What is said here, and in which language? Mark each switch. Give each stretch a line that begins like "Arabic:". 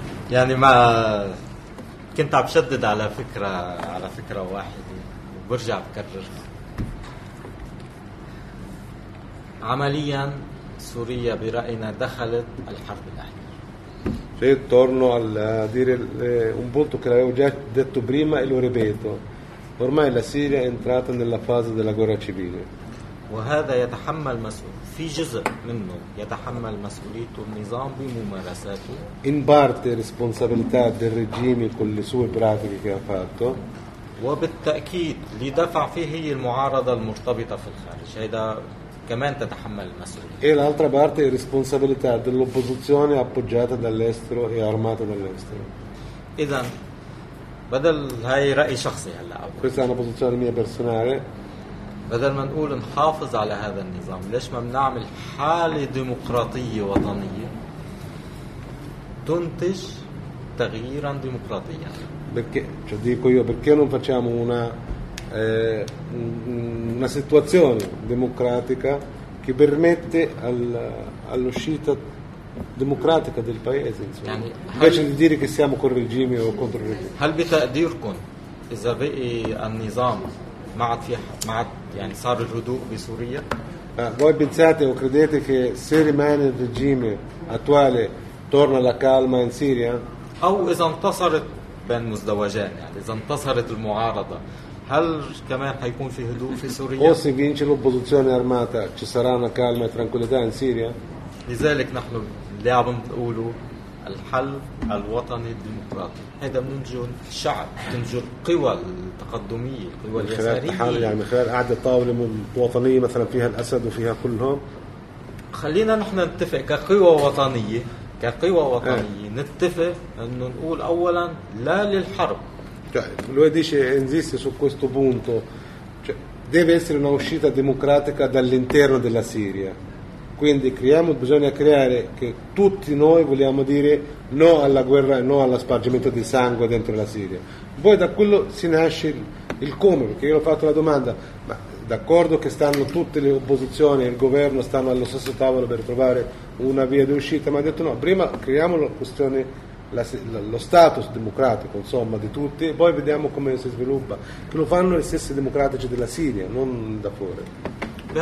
Arabic: يعني ما كنت عم شدد على فكرة واحدة وبرجع بكررها. عمليا سوريا برأينا دخلت الحرب الأهلية.
Italian: Se io torno a dire un punto che l'avevo già detto prima e lo ripeto, ormai la Siria è entrata nella fase della guerra civile.
Arabic: وهذا يتحمل مسؤول في جزء منه يتحمل مسؤوليته النظام بممارساته
Italian: in parte responsabilità del regime con le sue pratiche che ha fatto
Arabic: وبالتأكيد لدفع فيه المعارضة المرتبطة في الخارج هذا كمان تتحمل المسؤولية
Italian: e l'altra parte è responsabilità dell'opposizione appoggiata dall'estero e armata dall'estero.
Arabic: إذا بدل هاي رأي شخصي هلا
Italian: questa è una posizione mia personale.
Arabic: بدل ما نقول نحافظ على هذا النظام ليش ما بنعمل حالة ديمقراطية وطنية تنتج تغييرا ديمقراطيا
Italian: perché cioè dico io perché non facciamo una situazione democratica che permette all'uscita democratica del paese insomma يعني invece di dire che siamo con regime o contro regime.
Arabic: هل بتقديركم إذا بقي النظام ما عاد في ما عاد يعني صار الهدوء بسوريا؟
Italian: voi pensate o credete che se rimane il regime attuale torna la calma in Siria؟
Arabic: أو إذا انتصرت بين مزدوجين يعني إذا انتصرت المعارضة هل كمان حيكون في هدوء في سوريا؟
Italian: o se vince l'opposizione armata ci sarà una calma e tranquillità in Siria؟
Arabic: لذلك نحن اللي عم نقوله الحل الوطني الديمقراطي هذا بننجو الشعب بننجو القوى التقدمية القوى اليسارية يعني خلال قاعدة طاولة وطنية مثلا فيها الأسد وفيها كلهم خلينا نحن نتفق كقوى وطنية كقوى وطنية نتفق انه نقول اولا لا للحرب
Italian: lui dice insiste su questo punto cioè deve essere una uscita democratica dall'interno della Siria. Quindi creiamo, bisogna creare che tutti noi vogliamo dire no alla guerra e no allo spargimento di sangue dentro la Siria. Poi da quello si nasce il come, perché io ho fatto la domanda, ma d'accordo che stanno tutte le opposizioni e il governo stanno allo stesso tavolo per trovare una via di uscita, ma ha detto no, prima creiamo la questione, lo status democratico insomma di tutti e poi vediamo come si sviluppa, che lo fanno gli stessi democratici della Siria, non da fuori.